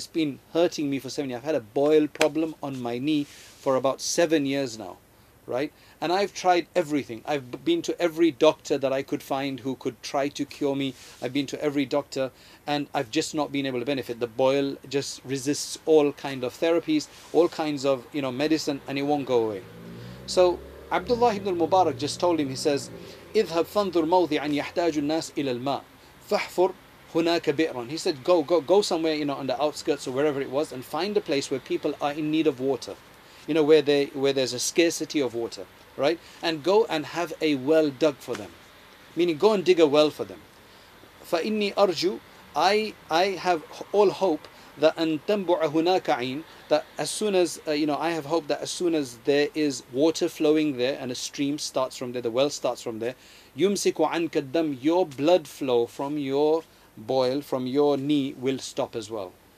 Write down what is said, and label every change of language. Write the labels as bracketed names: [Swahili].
[English] It's been hurting me for 7 years. I've had a boil problem on my knee for about 7 years now, right? And I've tried everything. I've been to every doctor that I could find who could try to cure me. I've been to every doctor and I've just not been able to benefit. The boil just resists all kind of therapies, all kinds of, you know, medicine, and it won't go away. So Abdullah ibn al-Mubarak just told him, he says, [Arabic] اذهب فانظر موضعا يحتاج الناس إلى الماء فحفر هناك بئرا. [English] He said, go somewhere, you know, on the outskirts or wherever it was, and find a place where people are in need of water, you know, where there's a scarcity of water, right? And go and have a well dug for them, meaning go and dig a well for them. [Arabic] فإني أرجو, [English] I have all hope that [Arabic] أن تنبع هناك عين, [English] that as soon as I have hope that as soon as there is water flowing there and a stream starts from there, the well starts from there, [Arabic] يمسك عنك الدم, [English] your blood flow from your boil, from your knee, will stop as well.